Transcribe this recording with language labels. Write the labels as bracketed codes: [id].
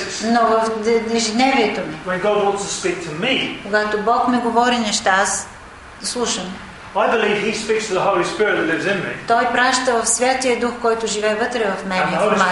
[bg] Но в ежедневието ми, когато Бог ми говори неща, аз слушам. [en] I believe he speaks to the Holy Spirit that lives in me. [bg] Той праща в Святия Дух, който живее вътре в мен.